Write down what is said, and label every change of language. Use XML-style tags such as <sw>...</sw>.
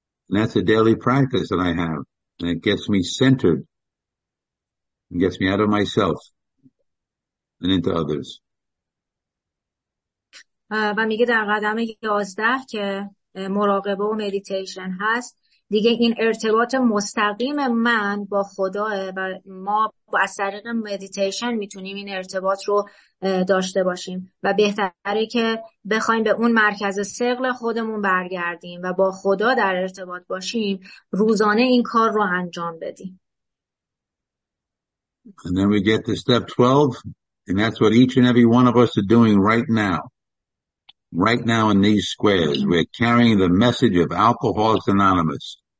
<en>And that's a daily practice that I have. And it gets me centered. It gets me out of myself and into others.</en> <fa>و میگه در قدم 11 که مراقبه و مدیتیشن هست، دیگه این ارتباط مستقیم من با خداه و ما با از طریق مدیتیشن میتونیم این ارتباط رو داشته باشیم و بهتره که بخوایم به اون مرکز ثقل خودمون برگردیم و با خدا در ارتباط باشیم، روزانه این کار رو انجام بدیم.</fa> <en>And then we get to step 12, and that's what each and every one of us are doing right now. Right now in these squares, we're carrying the message of Alcoholics Anonymous.</en>